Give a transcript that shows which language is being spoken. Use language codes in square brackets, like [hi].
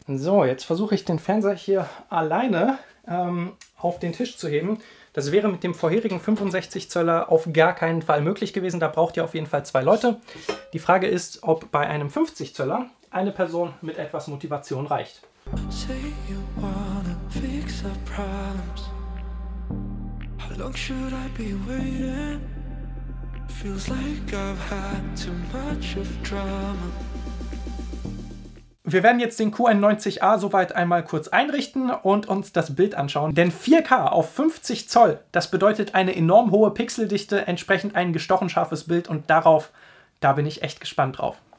[de] So, jetzt versuche ich den Fernseher hier alleine auf den Tisch zu heben. Das wäre mit dem vorherigen 65 Zöller auf gar keinen Fall möglich gewesen. Da braucht ihr auf jeden Fall zwei Leute. Die Frage ist, ob bei einem 50 Zöller eine Person mit etwas Motivation reicht. [en] Say you wanna fix us. the problems. How long should I be waiting? Feels like I've had too much of drama. [de] Wir werden jetzt den Q90A soweit einmal kurz einrichten und uns das Bild anschauen. Denn 4K auf 50 Zoll, das bedeutet eine enorm hohe Pixeldichte, entsprechend ein gestochen scharfes Bild. Und darauf, da bin ich echt gespannt drauf.